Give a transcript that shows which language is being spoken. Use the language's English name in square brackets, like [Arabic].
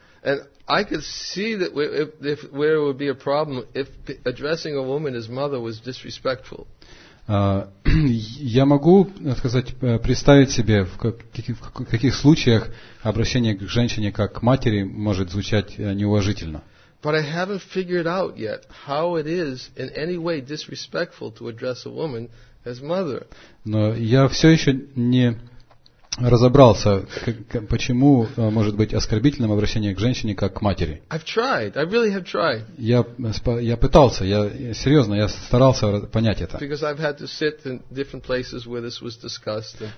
[English] And I could see that if where it would be a problem if addressing a woman as mother was disrespectful. [Russian] Я могу, так сказать, представить себе, в каких случаях обращение к женщине как к матери может звучать неуважительно. [English] But I haven't figured out yet how it is in any way disrespectful to address a woman as mother. [Russian] Но я все еще не разобрался, почему может быть оскорбительным обращение к женщине как к матери. [English] I've tried. I really have tried. [Russian] Я пытался, я старался понять это. [English] Because I've had to sit in different places where this was discussed.